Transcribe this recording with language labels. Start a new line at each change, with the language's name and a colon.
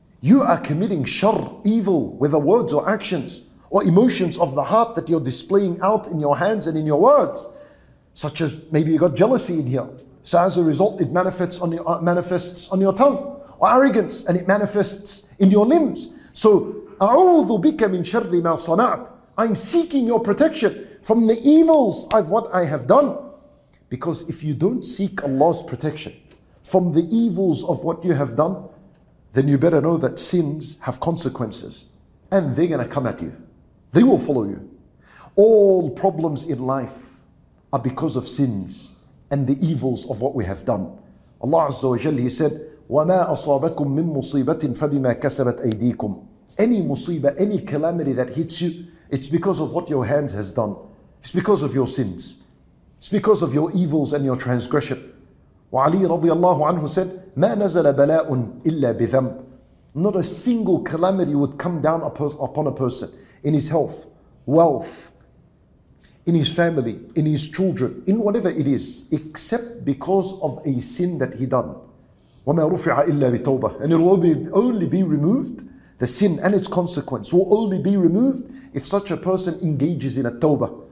English: You are committing shar, evil, whether words or actions or emotions of the heart that you're displaying out in your hands and in your words, such as maybe you got jealousy in here. So as a result, it manifests on your tongue, or arrogance, and it manifests in your limbs. So,
Arabic: أَعُوذُ بِكَ مِنْ شَرِّ مَا صَنَعْتَ.
English: I'm seeking your protection from the evils of what I have done. Because if you don't seek Allah's protection from the evils of what you have done, then you better know that sins have consequences and they're going to come at you. They will follow you. All problems in life are because of sins and the evils of what we have done. Allah Azza wa Jalla, He said,
Arabic: وَمَا أَصَابَكُم مِّن مُصِيبَةٍ فَبِمَا كَسَبَتْ أَيْدِيكُمْ.
English: Any musibah, any calamity that hits you, it's because of what your hands has done. It's because of your sins. It's because of your evils and your transgression.
Arabic: وعلي رضي الله عنه
English: said,
Arabic: ما نزل بلاء إلا بذنب.
English: Not a single calamity would come down upon a person in his health, wealth, in his family, in his children, in whatever it is, except because of a sin that he done.
Arabic: وما رفع إلا بتوبة.
English: And it will only be removed, the sin and its consequence will only be removed if such a person engages in a tawbah.